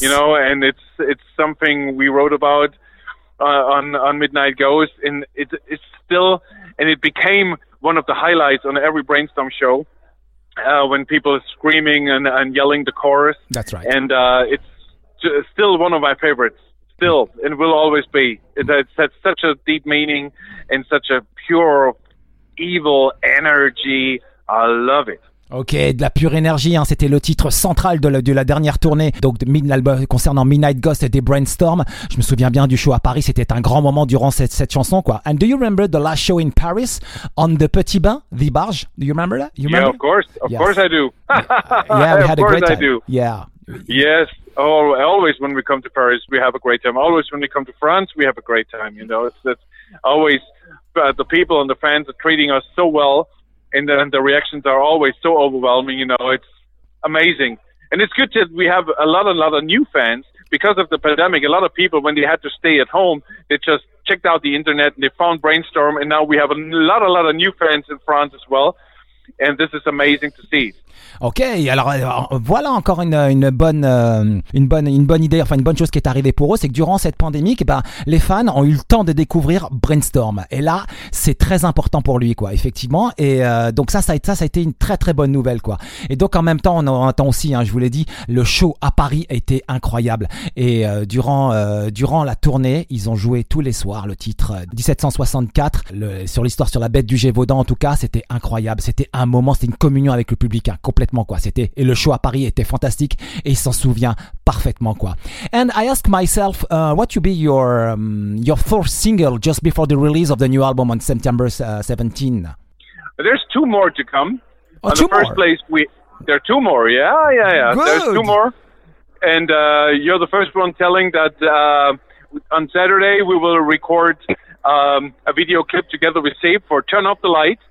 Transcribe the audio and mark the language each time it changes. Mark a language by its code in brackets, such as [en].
[en] You know, and it's something we wrote about on Midnight Ghost, and it became one of the highlights on every Brainstorm show when people are screaming and yelling the chorus. That's right. And it's still one of my favorites. still and will always be. It's had such a deep meaning and such a pure evil energy. I love it. [fr] Ok, de la pure énergie, hein, c'était le titre central de la dernière tournée, donc l'album concernant Midnight Ghost et des Brainstorm. Je me souviens bien du show à Paris, c'était un grand moment durant cette chanson, quoi. [en] And do you remember the last show in Paris on the Petit Bain, the barge? Do you remember that? You remember? Yeah, of course I do. Yeah, we had a great time. Of course I do. Yeah. Yes, always when we come to Paris, we have a great time. Always when we come to France, we have a great time. You know, it's always the people and the fans are treating us so well. And the reactions are always so overwhelming, you know, it's amazing. And it's good that we have a lot of new fans because of the pandemic. A lot of people, when they had to stay at home, they just checked out the internet and they found Brainstorm. And now we have a lot of new fans in France as well. And this is amazing to see. [fr] Ok, alors voilà encore une bonne idée, enfin une bonne chose qui est arrivée pour eux, c'est que durant cette pandémie, les fans ont eu le temps de découvrir Brainstorm. Et là, c'est très important pour lui, quoi, effectivement. Et donc ça a été une très très bonne nouvelle, quoi. Et donc en même temps, on entend aussi, hein, je vous l'ai dit, le show à Paris a été incroyable. Et durant la tournée, ils ont joué tous les soirs le titre 1764, sur l'histoire sur la bête du Gévaudan, en tout cas, c'était incroyable. C'était un moment, c'était une communion avec le public. Complètement, quoi. C'était, et le show à Paris était fantastique et il s'en souvient parfaitement, quoi. [en] And I ask myself, what would be your fourth single just before the release of the new album on September 17? There's two more to come. Oh, two the more. First place, there are two more. Yeah. Good. There's two more. And you're the first one telling that on Saturday we will record a video clip together with Save for Turn Off the Light.